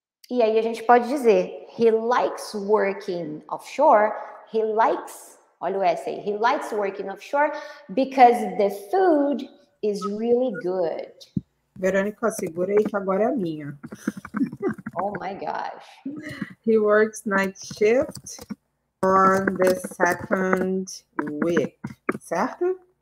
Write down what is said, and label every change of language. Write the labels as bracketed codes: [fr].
[pt] E aí a gente pode dizer, [en] he likes working offshore. He likes. [pt] Olha o essay. [en] He likes working offshore because the food is really good. [pt] Verônica, segura aí que agora é a minha. [en] Oh my gosh. He works night shift on the second week, certo?